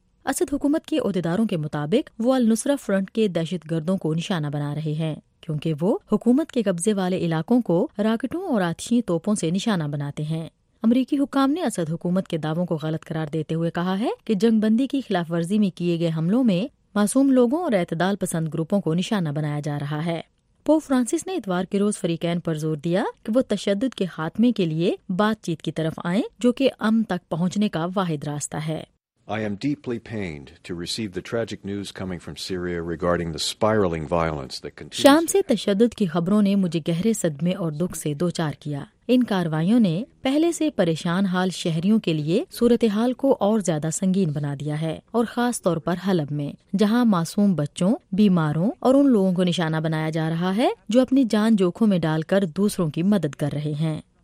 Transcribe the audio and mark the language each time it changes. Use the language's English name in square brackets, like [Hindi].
[Urdu] اسد حکومت کے عہدیداروں کے مطابق وہ النصرہ فرنٹ کے دہشت گردوں کو نشانہ بنا رہے ہیں، کیونکہ وہ حکومت کے قبضے والے علاقوں کو راکٹوں اور آتشی توپوں سے نشانہ بناتے ہیں۔ امریکی حکام نے اسد حکومت کے دعووں کو غلط قرار دیتے ہوئے کہا ہے کہ جنگ بندی کی خلاف ورزی میں کیے گئے حملوں میں معصوم لوگوں اور اعتدال پسند گروپوں کو نشانہ بنایا جا رہا ہے۔ پوپ فرانسس نے اتوار کے روز فریقین پر زور دیا کہ وہ تشدد کے خاتمے کے لیے بات چیت کی طرف آئیں، جو کہ امن تک پہنچنے کا واحد راستہ ہے۔ [English] I am deeply pained to receive the tragic news coming from Syria regarding the spiraling violence that continues. [Urdu] شام سے تشدد کی خبروں نے مجھے گہرے صدمے اور دکھ سے دوچار کیا. ان کاروائیوں نے پہلے سے پریشان حال شہریوں کے لیے صورتحال کو اور زیادہ سنگین بنا دیا ہے, اور خاص طور پر حلب میں جہاں معصوم بچوں, بیماروں اور ان لوگوں کو نشانہ بنایا جا رہا ہے جو اپنی جان جوکھوں میں ڈال کر دوسروں کی مدد کر رہے ہیں.